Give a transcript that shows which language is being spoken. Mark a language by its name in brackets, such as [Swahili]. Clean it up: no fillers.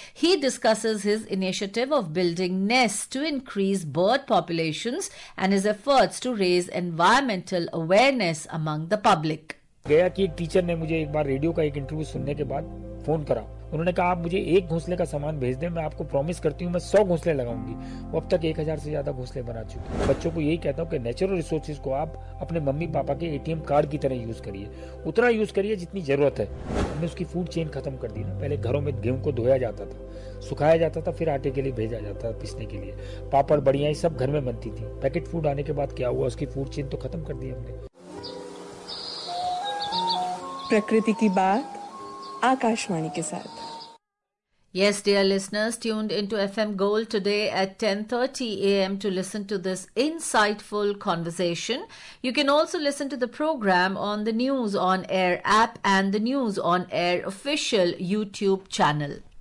[English] He discusses his initiative of building nests to increase bird populations and his efforts to raise environmental awareness among the public. [Hindi] गया कि एक teacher ने मुझे एक बार radio का एक इंटरव्यू सुनने के बाद फोन करा. उन्होंने कहा आप मुझे एक घोंसले का सामान भेज दें, मैं आपको प्रॉमिस करती हूँ मैं 100 घोंसले लगाऊंगी. वो अब तक 1000 से ज्यादा घोंसले बना चुके. बच्चों को यही कहता हूँ कि नेचुरल रिसोर्सेज को आप अपने मम्मी पापा के एटीएम कार्ड की तरह यूज करिए, उतना यूज करिए जितनी जरूरत है. हमने उसकी फूड चेन खत्म कर दी ना. पहले घरों में गेहूं को धोया जाता था, सुखाया जाता था, फिर आटे के लिए भेजा जाता था पीसने के लिए. पापड़ बढ़िया सब घर में बनती थी. पैकेट फूड आने के बाद क्या हुआ, उसकी फूड चेन तो खत्म कर दी हमने. प्रकृति की बात आकाशवाणी के साथ. [English] Yes, dear listeners, tuned into FM Gold today at 10:30 a.m. to listen to this insightful conversation. You can also listen to the program on the News On Air app and the News On Air official YouTube channel.